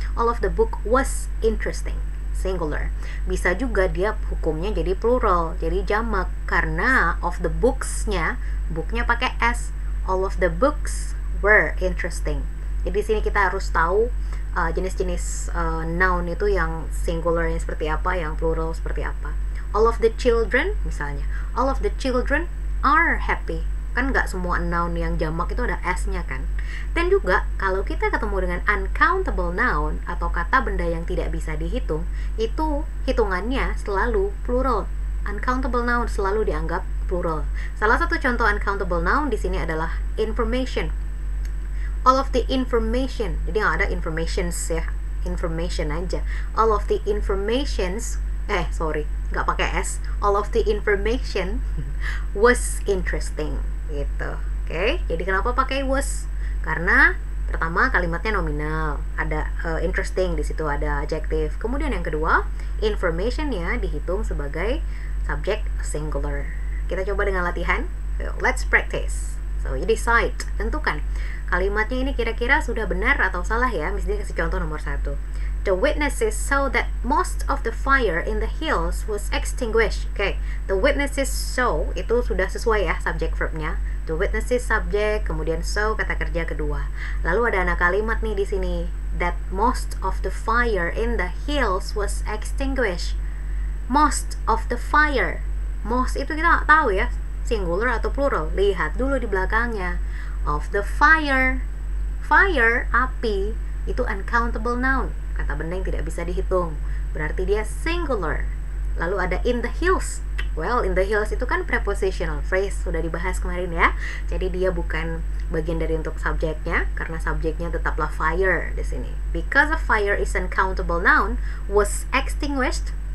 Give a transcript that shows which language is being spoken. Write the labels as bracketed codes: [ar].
[en] All of the book was interesting. [id] Singular. Bisa juga dia hukumnya jadi plural, jadi jamak karena of the books-nya, book-nya pakai s. [en] All of the books were interesting. [id] Jadi di sini kita harus tahu jenis-jenis noun itu yang singular yang seperti apa, yang plural seperti apa. [en] All of the children, misalnya, all of the children are happy. [id] Kan nggak semua noun yang jamak itu ada s-nya kan. Dan juga kalau kita ketemu dengan uncountable noun atau kata benda yang tidak bisa dihitung, itu hitungannya selalu plural. Uncountable noun selalu dianggap plural. Salah satu contoh uncountable noun di sini adalah information. [en] All of the information, [id] jadi nggak ada [en] informations ya, information aja. All of the informations, [id] nggak pakai s. [en] All of the information was interesting, gitu. [id] Okay, jadi kenapa pakai was? Karena pertama kalimatnya nominal, ada interesting di situ, ada adjective. Kemudian yang kedua, informationnya dihitung sebagai subject singular. Kita coba dengan latihan. [en] Let's practice. So you decide, [id] tentukan. Kalimatnya ini kira-kira sudah benar atau salah ya. Misalnya kasih contoh nomor 1. [en] The witnesses saw that most of the fire in the hills was extinguished. [id] Oke, okay. [en] The witnesses saw [id] itu sudah sesuai ya subject verbnya. The witnesses subject, kemudian saw kata kerja kedua. Lalu ada anak kalimat nih di sini. [en] That most of the fire in the hills was extinguished. Most of the fire. [id] Most itu kita nggak tahu ya, singular atau plural. Lihat dulu di belakangnya. Of the fire. Fire, api, itu uncountable noun, kata benda yang tidak bisa dihitung. Berarti dia singular. Lalu ada in the hills. [en] Well, in the hills [id] itu kan prepositional phrase, sudah dibahas kemarin ya. Jadi dia bukan bagian dari untuk subjeknya, karena subjeknya tetaplah fire di sini. [en] Because a fire is uncountable noun, was extinguished.